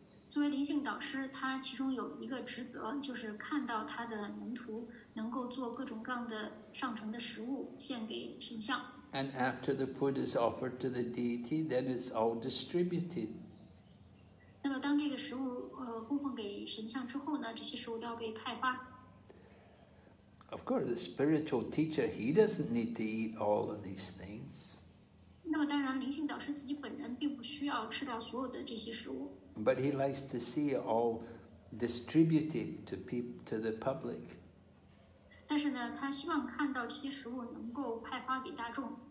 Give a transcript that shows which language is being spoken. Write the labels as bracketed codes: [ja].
[zh] 作为灵性导师，他其中有一个职责，就是看到他的门徒能够做各种各样的上乘的食物献给神像。 [en] And after the food is offered to the deity, then it's all distributed. [zh] 那么当这个食物供奉给神像之后呢，这些食物要被派发。 [en] Of course, the spiritual teacher, he doesn't need to eat all of these things. [zh] 那么当然，灵性导师自己本人并不需要吃到所有的这些食物。 [en] But he likes to see it all distributed to the public. [zh] 但是呢，他希望看到这些食物能够派发给大众。